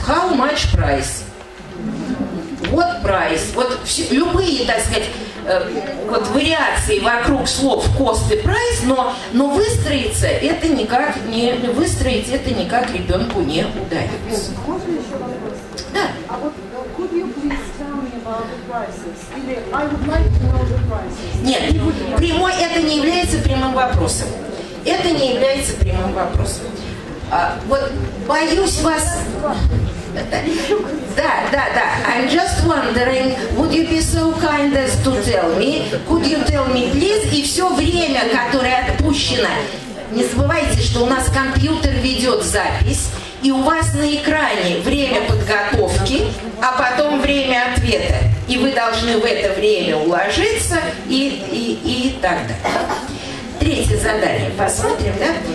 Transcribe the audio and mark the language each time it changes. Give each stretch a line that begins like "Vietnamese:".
English: How much price? What price?
Russian: Вот все, любые, так сказать, вот вариации вокруг слов cost и price, но выстроить это никак ребенку не удается. Можно еще вопрос? Да. А вот
English: could you please tell me about the prices?
Russian: Или
English: I would like to know the prices.
Russian: Нет, прямой это не является прямым вопросом. Это не является прямым вопросом. Вот боюсь вас... Да.
English: I'm just wondering, would you be so kind as to tell me? Could you tell me, please?
Russian: И все время, которое отпущено... Не забывайте, что у нас компьютер ведет запись, и у вас на экране время подготовки, а потом время ответа. И вы должны в это время уложиться и так далее. Третье задание. Посмотрим, да?